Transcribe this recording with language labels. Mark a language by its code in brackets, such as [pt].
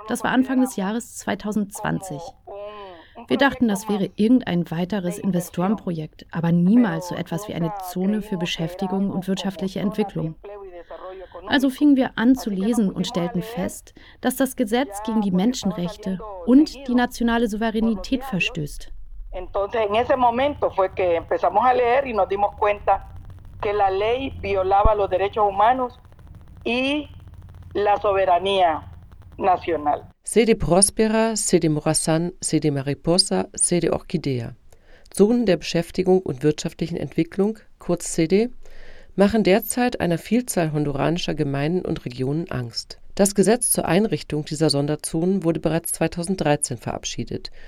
[de] Das war Anfang des Jahres 2020. Wir dachten, das wäre irgendein weiteres Investorenprojekt, aber niemals so etwas wie eine Zone für Beschäftigung und wirtschaftliche Entwicklung. Also fingen wir an zu lesen und stellten fest, dass das Gesetz gegen die Menschenrechte und die nationale Souveränität verstößt. [es] Entonces en ese momento fue que empezamos a leer y nos dimos cuenta que la ley violaba los derechos humanos y la soberanía nacional. Sede Prospera, Sede Morazán, Sede Mariposa, Sede Orquídea. [de] Zonen der Beschäftigung und wirtschaftlichen Entwicklung, kurz Sede, machen derzeit einer Vielzahl honduranischer Gemeinden und Regionen Angst. Das Gesetz zur Einrichtung dieser Sonderzonen wurde bereits 2013 verabschiedet.